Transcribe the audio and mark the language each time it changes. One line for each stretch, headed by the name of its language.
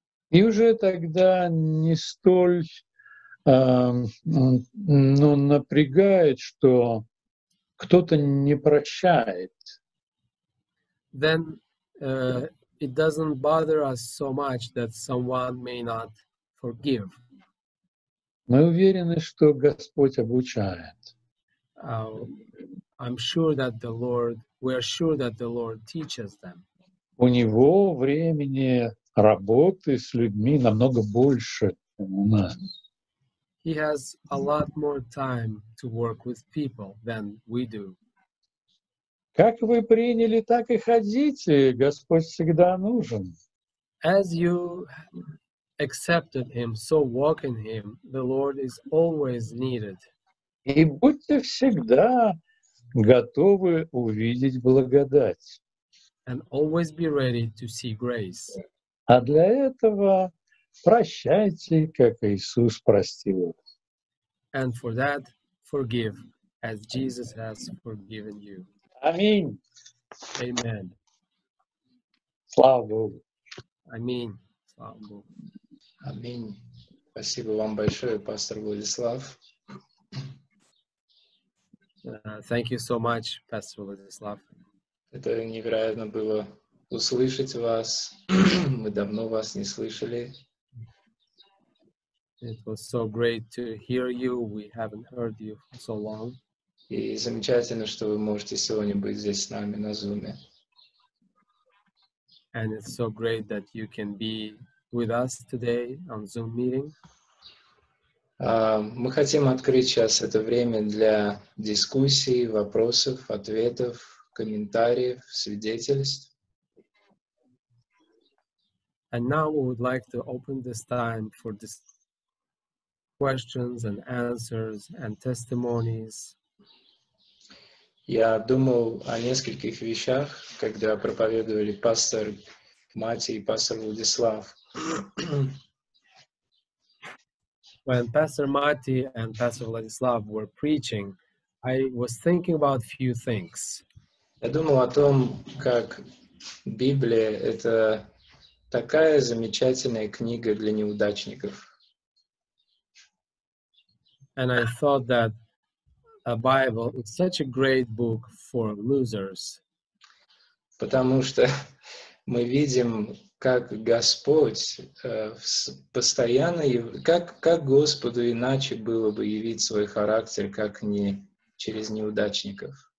Russian: И уже тогда не столь напрягает, что кто-то не прощает.
English: Then it doesn't bother us so much that someone may not forgive.
Russian: Мы уверены, что Господь обучает.
English: I'm sure that the Lord, we are sure that the Lord teaches them.
Russian: У него времени работы с людьми намного больше, чем у нас.
English: He has a lot more time to work with people than we do.
Russian: Как вы приняли, так и ходите. Господь всегда нужен.
English: As you accepted him, so walk in him, the Lord is always needed.
Russian: И будьте всегда готовы увидеть благодать.
English: And always be ready to see grace.
Russian: А для этого прощайте, как Иисус простил.
English: And for that, forgive, as Jesus has forgiven you.
Russian: Аминь.
English: Amen.
Russian: Слава Богу. Аминь. Слава Богу. Аминь. Спасибо вам большое, пастор Владислав.
English: Thank you so much, Pastor Владислав.
Russian: Это невероятно было услышать вас. Мы давно вас не слышали.
English: It was so great to hear you. We haven't heard you for so long.
Russian: И замечательно, что вы можете сегодня быть здесь с нами на Zoom.
English: And it's so great that you can be with us today on Zoom meeting.
Russian: Мы хотим открыть сейчас это время для дискуссий, вопросов, ответов, комментариев, свидетельств.
English: And now we would like to open this time for questions and answers and testimonies.
Russian: Я думал о нескольких вещах, когда проповедовали пастор Мати и пастор Владислав.
English: When Pastor Mati and Pastor Vladislav were preaching, I was thinking about a few things.
Russian: Я думал о том, как Библия — это такая замечательная книга для неудачников.
English: And I thought that a Bible is such a great book for losers.
Russian: Потому что мы видим, как Господь постоянно, как Господу иначе было бы явить свой характер, как не через неудачников.